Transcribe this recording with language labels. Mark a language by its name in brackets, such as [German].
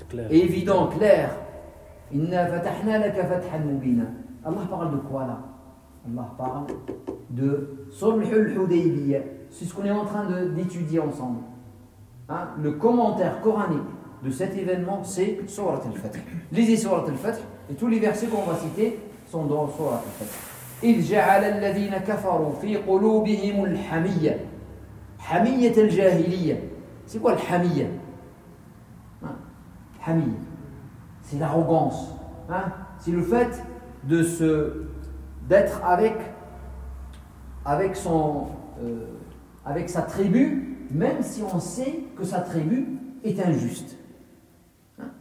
[French] Évident, clair. [Arabic] Inna fatahna laka fathan mubina. [French] Allah parle de quoi là? Allah parle de sulhul hudaybiyya. C'est ce qu'on est en train d'étudier ensemble. Hein? Le commentaire coranique de cet événement, c'est Sourate al-Fath. Lisez Sourate al-Fath et tous les versets qu'on va citer sont dans Sourate al-Fath. [Arabic] إذ جعل الذين كفروا في قلوبهم الحمية حمية الجاهلية. [French] C'est quoi الحمية؟ حمية. C'est l'arrogance. Hein? C'est le fait de se d'être avec sa tribu, même si on sait que sa tribu est injuste. Hein?